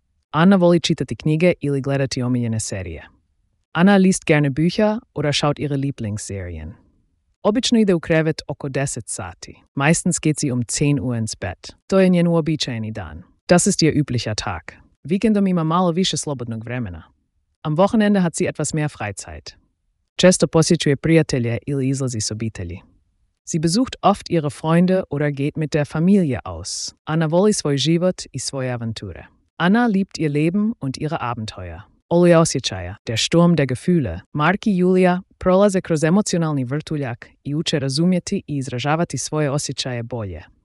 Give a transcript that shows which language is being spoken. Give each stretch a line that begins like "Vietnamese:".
Croatian: Anna voli čitati knjige ili gledati omiljene serije.
German: Anna liest gerne Bücher oder schaut ihre Lieblingsserien.
Croatian: Obično ide u krevet oko 10 sati.
German: Meistens geht sie 10 Uhr ins Bett.
Croatian: To je njen uobičajeni dan.
German: Das ist ihr üblicher Tag.
Croatian: Vikendom ima malo više slobodnog vremena.
German: Am Wochenende hat sie etwas mehr Freizeit.
Croatian: Često posjećuje prijatelje ili izlazi s obitelji.
German: Sie besucht oft ihre Freunde oder geht mit der Familie aus.
Croatian: Anna voli svoj život i svoje avanture.
German: Anna liebt ihr Leben und ihre Abenteuer.
Croatian: Oluja osjećaja,
German: der Sturm der Gefühle.
Croatian: Marki i Julija prolaze kroz emocionalni vrtuljak i uče razumjeti i izražavati svoje osjećaje bolje.